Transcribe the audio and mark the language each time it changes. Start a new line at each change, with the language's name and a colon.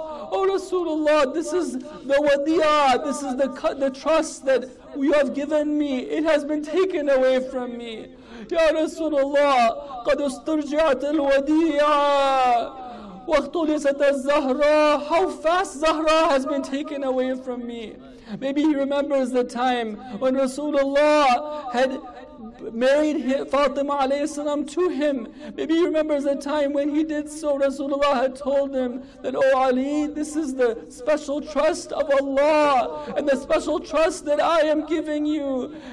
English: Oh Rasulullah, this is the wadiyah, this is the trust that you have given me. It has been taken away from me.
Arabic: Ya Rasulullah, قَدْ اُسْتُرْجِعَتِ الْوَدِيَّةِ وَاخْتُلِسَتَ الزَّهْرَةِ.
English: How fast Zahra has been taken away from me. Maybe he remembers the time when Rasulullah had married Fatima alayhi salam to him. Maybe he remembers a time when he did so. Rasulullah had told him that, Oh Ali, this is the special trust of Allah and the special trust that I am giving you.